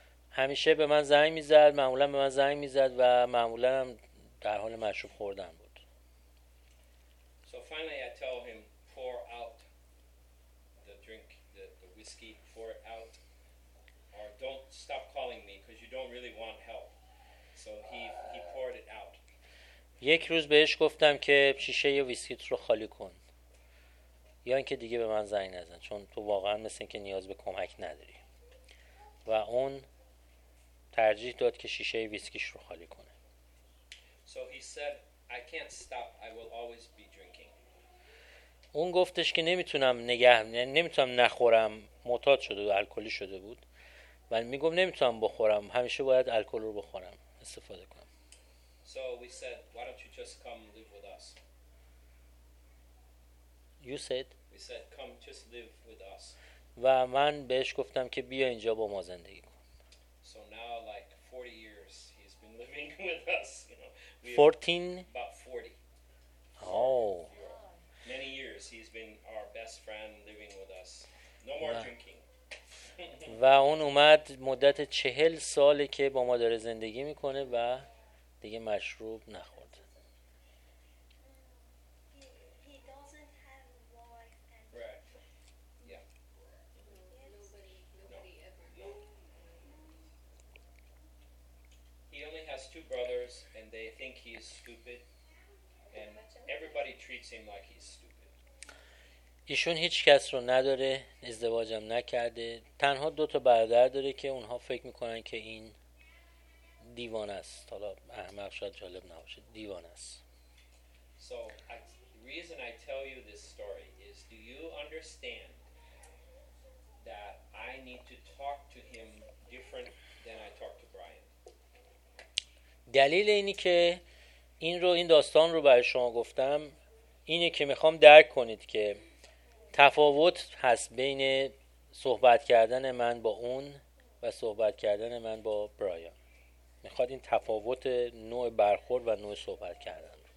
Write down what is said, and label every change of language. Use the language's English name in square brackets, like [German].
[Persian] همیشه به من زنگ میزد، معمولا به من زنگ میزد و معمولا هم در حال مشروب خوردن بود. [English] So finally I tell him pour out the drink, the whiskey, pour it out or don't stop calling me because you don't really want help. So he poured it out. [Persian] یک روز بهش گفتم که شیشه ویسکیت رو خالی کن یا اینکه دیگه به من زنگ نزن چون تو واقعا مثل اینکه نیاز به کمک نداری. و اون ترجیح داد که شیشه ویسکیش رو خالی کنه. [English] So he said I can't stop, I will always be drinking. [Persian] اون گفتش که نمیتونم نخورم، معتاد شده بود، الکلی شده بود. ولی میگم نمیتونم بخورم، همیشه باید الکل رو بخورم، استفاده کنم. [English] So we said why don't you just come live with us? You said? We said come just live with us. [Persian] و من بهش گفتم که بیا اینجا با ما زندگی کن. [English] So now like 40 years he's been living with us. 14. About 40. Oh. Many years he's been our best friend living with us. No more drinking. [Persian] و اون اومد مدت 40 ساله که با ما داره زندگی میکنه و دیگه مشروب نخورد. [English] He doesn't have a wife and. Right. Yeah. Nobody ever. He only has two. two brothers and they think he is stupid and everybody treats him like he's stupid. [Persian] ایشون هیچ کس رو نداره، ازدواجم نکرده، تنها دو تا برادر داره که اونها فکر میکنن که این دیوان است. حالا احمق شاید جالب نباشه، دیوان است. [English] So the reason I tell you this story is, do you understand that I need to talk to him different than I talk to Brian? [Persian] دلیل اینی که این داستان رو برای شما گفتم اینه که میخوام درک کنید که تفاوت هست بین صحبت کردن من با اون و صحبت کردن من با برایان. میخواد این تفاوت نوع برخورد و نوع صحبت کردن.